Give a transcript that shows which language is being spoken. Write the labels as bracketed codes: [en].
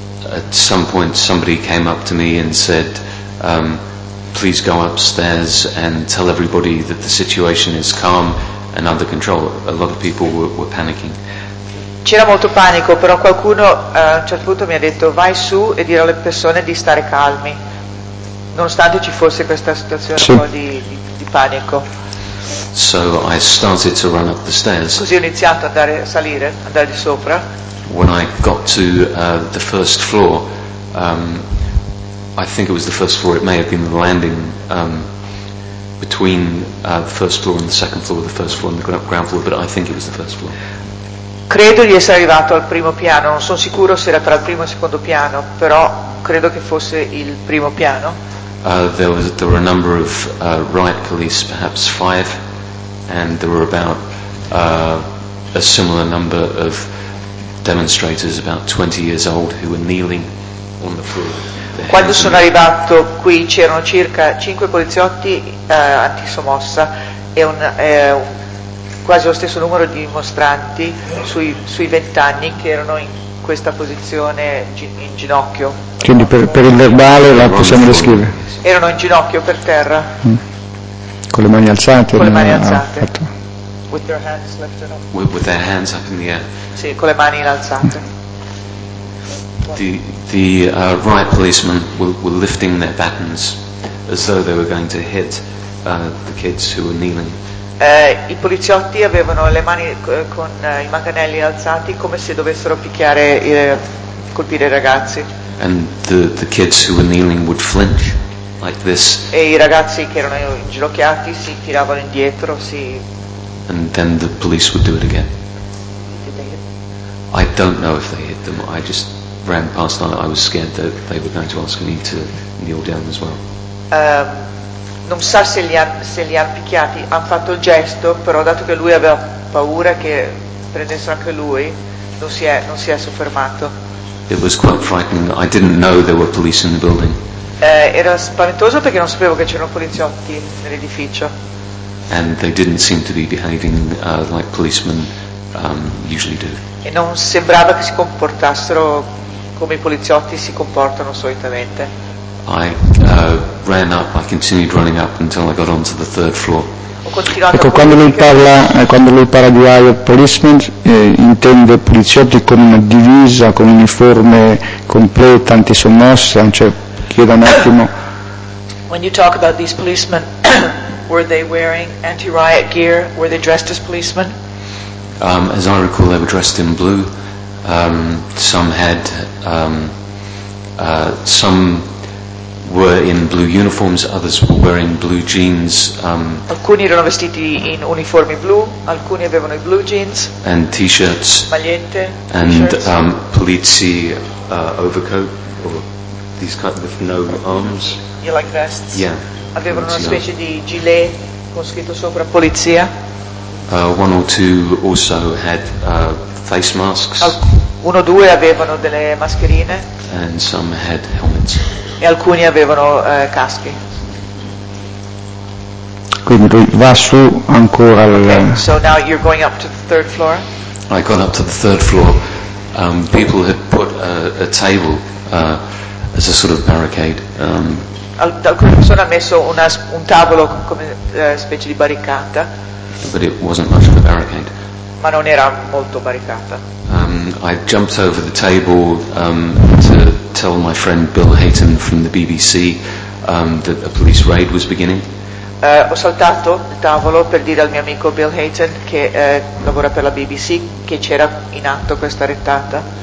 [en] At some point somebody came up to me and said, please go upstairs and tell everybody that the situation is calm and under control. A lot of people were panicking. [it] C'era molto panico, però qualcuno a un certo punto mi ha detto vai su e dire alle persone di stare calmi, nonostante ci fosse questa situazione un po' di panico. [en] So I started to run up the stairs. [it] Così ho iniziato ad andare a salire, andare di sopra. [en] When I got to the first floor, I think it was the first floor, it may have been the landing between the first floor and the second floor, the first floor and the ground floor, but I think it was the first floor. [it] Credo di essere arrivato al primo piano, non sono sicuro se era tra il primo e il secondo piano, però credo che fosse il primo piano. [en] There were a number of riot police, perhaps five, and there were about a similar number of demonstrators, about 20 years old, who were kneeling on the floor. [it] Quando sono arrivato qui c'erano circa 5 poliziotti antisommossa e quasi lo stesso numero di dimostranti sui 20 anni che erano in questa posizione in ginocchio. Quindi per il verbale la possiamo descrivere. Erano in ginocchio per terra. Con le mani alzate. Con le mani alzate. [en] With their hands lifted up. With their hands up in the air. [it] Sì, con le mani alzate. [en] The riot policemen were lifting their batons as though they were going to hit the kids who were kneeling. [it] I poliziotti avevano le mani con i manganelli alzati come se dovessero picchiare colpire i ragazzi. [en] And the kids who were kneeling would flinch like this. [it] E i ragazzi che erano inginocchiati si tiravano indietro, si. [en] And then the police would do it again. I don't know if they hit them. I just ran past. I was scared that they were going to ask me to kneel down as well. [it] Non sa se li han picchiati, han fatto il gesto, però dato che lui aveva paura che prendessero anche lui, non si è soffermato. [en] It was quite frightening. I didn't know there were police in the building. [it] Era spaventoso perché non sapevo che c'erano poliziotti nell'edificio. [en] And they didn't seem to be behaving like policemen usually do. [it] E non sembrava che si comportassero come i poliziotti si comportano solitamente. [en] I ran up, I continued running up until I got onto the third floor. [it] Ecco, quando lui parla di [en] riot policemen, [it] intende poliziotti con una divisa, con uniforme completa, antisommossa, cioè chiedo un attimo. [en] When you talk about these policemen, were they wearing anti-riot gear? Were they dressed as policemen? As I recall, they were dressed in blue, Some had some were in blue uniforms, others were wearing blue jeans. [it] Alcuni erano vestiti in uniformi blu, alcuni avevano i blue jeans. [en] And t-shirts. [it] Magliette. [en] And polizzi overcoat or these kind of with no arms. Yeah, like vests. Yeah. [it] Avevano una specie di gilet con scritto sopra polizia. [en] One or two also had face masks. [it] Uno o due avevano delle mascherine. [en] And some had helmets. [it] E alcuni avevano caschi. Quindi lui va su ancora al. [en] Okay, so now you're going up to the third floor. I got up to the third floor. People had put a table as a sort of barricade. [it] Alcune persone hanno messo un tavolo come specie di barricata. [en] But it wasn't much of a barricade. [it] Ma non era molto barricata. [en] I jumped over the table to tell my friend Bill Hayton from the BBC that a police raid was beginning. [it] Ho saltato il tavolo per dire al mio amico Bill Hayton che lavora per la BBC che c'era in atto questa rettata.